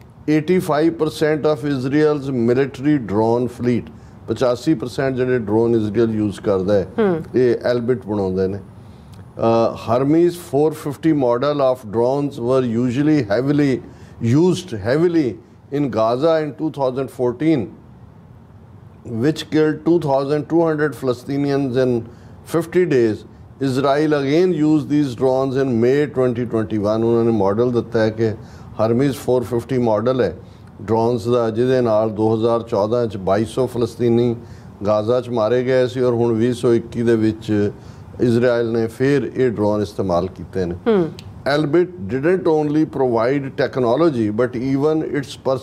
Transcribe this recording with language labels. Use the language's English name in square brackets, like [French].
[English] 85% of Israel's military drone fleet 85% [Punjabi] ਜਿਹੜੇ drone Israel use ਕਰਦਾ ਇਹ ਐਲਬਰਟ ਬਣਾਉਂਦੇ ਨੇ [English] Hermes 450 model of drones were usually heavily used heavily in Gaza in 2014 which killed 2,200 Palestinians in 50 days. Israel again used these drones in May 2021. [Punjabi] ਉਹਨਾਂ ਨੇ model ਦਿੱਤਾ ਹੈ ਕਿ ਹਰਮੀਜ਼ 450 ਮਾਡਲ ਹੈ ਡਰੋਨਸ ਦਾ ਜਿਹਦੇ ਨਾਲ 2014 'ਚ 2,200 ਫਲਸਤੀਨੀ ਗਾਜ਼ਾ 'ਚ ਮਾਰੇ ਗਏ ਸੀ ਔਰ ਹੁਣ 2021 ਦੇ ਵਿੱਚ ਇਜ਼ਰਾਈਲ ਨੇ ਫਿਰ ਇਹ ਡਰੋਨ ਇਸਤੇਮਾਲ ਕੀਤੇ ਨੇ Albert [English] didn't only provide technology but even its